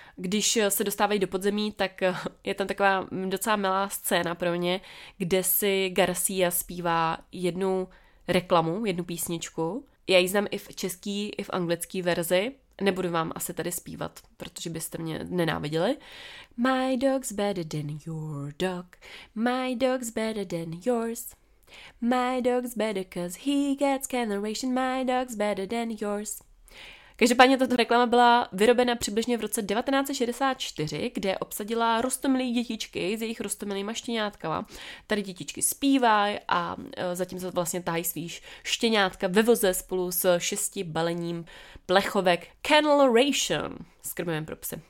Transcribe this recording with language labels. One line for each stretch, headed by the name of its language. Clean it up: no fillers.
Czech: Když se dostávají do podzemí, tak je tam taková docela milá scéna pro mě, kde si Garcia zpívá jednu reklamu, jednu písničku. Já ji znám i v český, i v anglický verzi. Nebudu vám asi tady zpívat, protože byste mě nenáviděli.
English: My dog's better than your dog. My dog's better than yours. My dog's better 'cause he gets coloration. My dog's better than yours.
Czech: Každopádně tato reklama byla vyrobena přibližně v roce 1964, kde obsadila roztomilý dětičky s jejich roztomilýma štěňátkama. Tady dětičky zpívají a zatím se vlastně tahají svý štěňátka ve voze spolu s 6 balením plechovek Kennel Ration s krmivem pro psy.